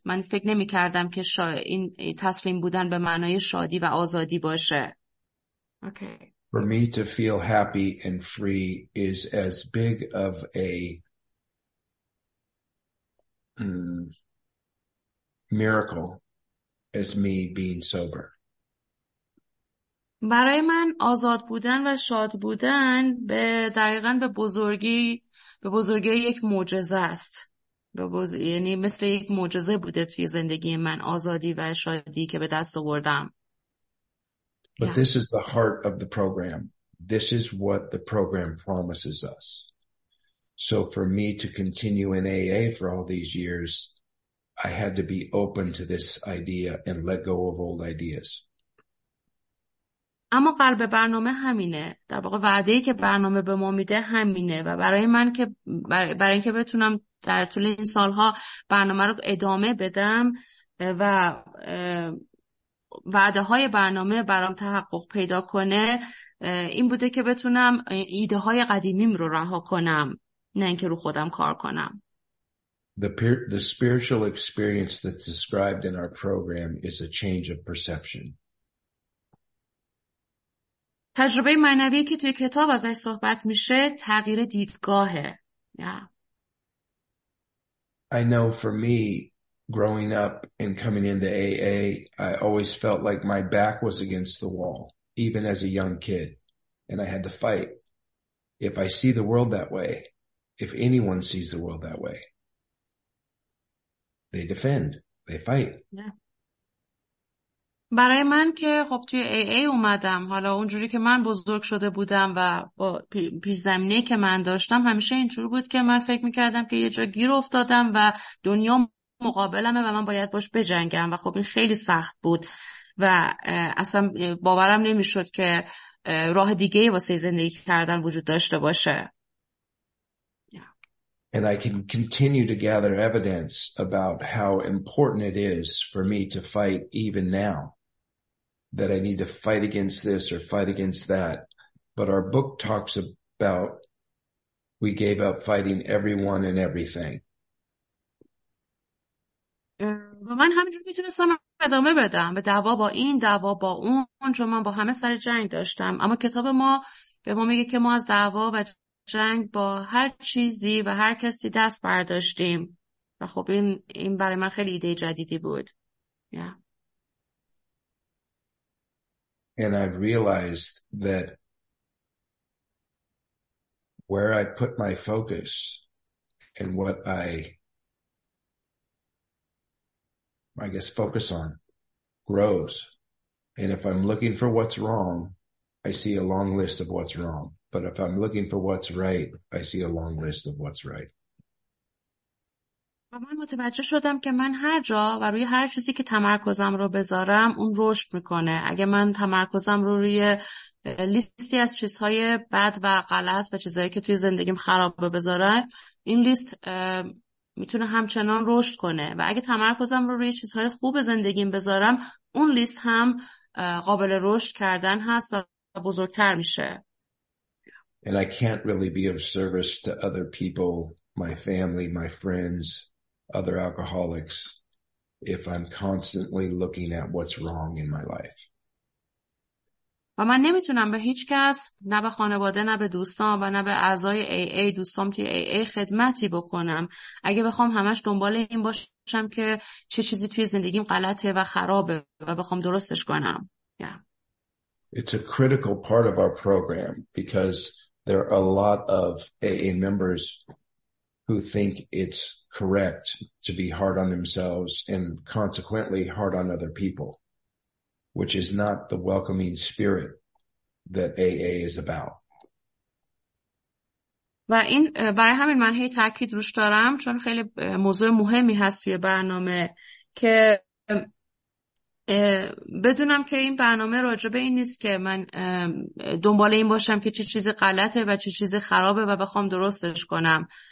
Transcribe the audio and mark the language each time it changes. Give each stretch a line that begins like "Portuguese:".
Persian: من فکر نمی کردم که این تسلیم بودن به معنای شادی و آزادی باشه.
English: Okay. For me to feel happy and free is as big of a miracle as me being sober.
Persian: برای من آزاد بودن و شاد بودن به دقیقا به بزرگی یک معجزه است. یعنی مثل یک معجزه بوده توی زندگی من، آزادی و شادی که به دست آوردم.
English: But this is the heart of the program. This is what the program promises us. So for me to continue in AA for all these years, I had to be open to this idea and let go of old ideas.
Persian: اما قلب برنامه همینه، در واقع وعده‌ای که برنامه به ما میده همینه و برای من که برای اینکه بتونم در طول این سالها برنامه رو ادامه بدم و وعده های برنامه برام تحقق پیدا کنه، این بوده که بتونم ایده های قدیمیم رو رها کنم، نه اینکه رو خودم کار کنم.
English: The spiritual experience that's described in our program is a change of perception.
Persian: تجربه معنوی که توی کتاب ازش صحبت میشه تغییر دیدگاهه.
English: I know for me, growing up and coming into AA, I always felt like my back was against the wall, even as a young kid, and I had to fight. If I see the world that way, if anyone sees the world that way, they defend, they fight.
Persian: برای من که خب توی AA اومدم، حالا اونجوری که من بزرگ شده بودم و با پیش‌زمینه‌ای که من داشتم، همیشه اینجوری بود که من فکر میکردم که یه جا گیر افتادم و دنیا مقابلمه و من باید باش بجنگم و خب این خیلی سخت بود و اصلا باورم نمیشد که راه دیگه واسه زندگی کردن وجود داشته باشه.
English: And I can continue to gather evidence about how important it is for me to fight even now, that I need to fight against this or fight against that. But our book talks about we gave up fighting everyone and everything.
Persian: من همینجور میتونستم ادامه بدم به دعوا با این دعوا با اون، چون من با همه سر جنگ داشتم، اما کتاب ما به ما میگه که ما از دعوا و جنگ با هر چیزی و هر کسی دست برداشتیم و خب این برای من خیلی ایده جدیدی بود.
English: And I realized that where I put my focus and what I guess focus on grows. And if I'm looking for what's wrong, I see a long list of what's wrong. But if I'm looking for what's right, I see a long list of what's right.
Persian: و من متوجه شدم که من هر جا و روی هر چیزی که تمرکزم رو بذارم اون رشد میکنه. اگه من تمرکزم رو روی لیستی از چیزهای بد و غلط و چیزهایی که توی زندگیم خرابه بذارم، این لیست میتونه همچنان رشد کنه و اگه تمرکزم رو روی چیزهای خوب زندگیم بذارم، اون لیست هم قابل رشد کردن هست و بزرگتر میشه.
English: And I can't really be of service to other people, my family, my friends, other alcoholics, if I'm constantly looking at what's wrong in my life.
Persian: و من نمیتونم به هیچ کس، نه به خانواده، نه به دوستان و نه به اعضای AA، دوستام توی AA، خدمتی بکنم اگه بخوام همش دنبال این باشم که چه چیزی توی زندگیم غلطه و خرابه و بخوام درستش کنم.
English: It's a critical part of our program because there are a lot of AA members who think it's correct to be hard on themselves and consequently hard on other people, which is not the welcoming spirit that AA is about.
Persian: و این برای همین من هی تاکید روش دارم، چون خیلی موضوع مهمی هست توی برنامه که بدونم که این برنامه راجع به این نیست که من دنبال این باشم که چه چیزی غلطه و چه چیزی خرابه و بخوام درستش کنم.